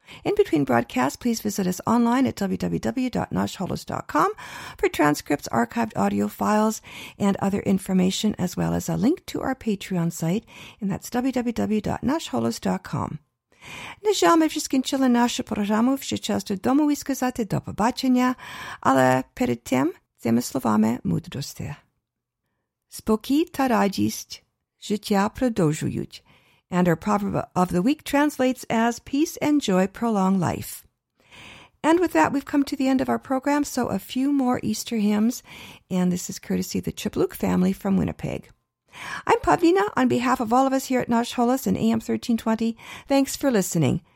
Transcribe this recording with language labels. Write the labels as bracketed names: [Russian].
[English] In between broadcasts, please visit us online at www.noshholos.com for transcripts, archived audio files, and other information, as well as a link to our Patreon site, and that's www.noshholos.com. [Ukrainian] Нажами вже скінчили нашу програму, вже час додому і сказати до побачення, але перед тим цими словами мудрості. Спокій та радість життя продовжують. [English] And our proverb of the week translates as peace and joy prolong life. And with that, we've come to the end of our program, so a few more Easter hymns, and this is courtesy of the Chipluk family from Winnipeg. I'm Pavlina, on behalf of all of us here at Nash Holos and AM 1320, thanks for listening.